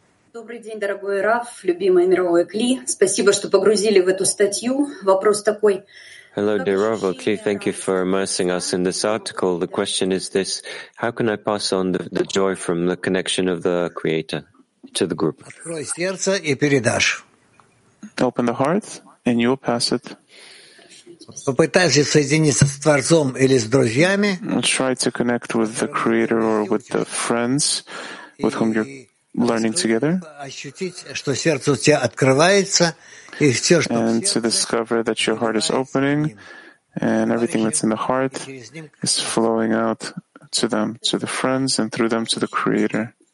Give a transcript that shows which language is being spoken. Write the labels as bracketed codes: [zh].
[ru] Добрый день, дорогой Раф, любимый мировой Кли. Спасибо, что погрузили в эту статью. Вопрос такой. [en] Hello, dear Rav, okay, thank you for immersing us in this article. The question is this: how can I pass on the joy from the connection of the Creator to the group? [ru] Открой сердце и передашь. [en] Open the heart and you will pass it. [ru] Попытайся соединиться с Творцом или с друзьями. [en] Try to connect with the Creator or with the friends with whom you're learning together. [ru] Ощутить, что сердце у тебя открывается, и все, что [en] and to discover that your heart is opening and everything that's in the heart is flowing out to them, to the friends, and through them to the Creator.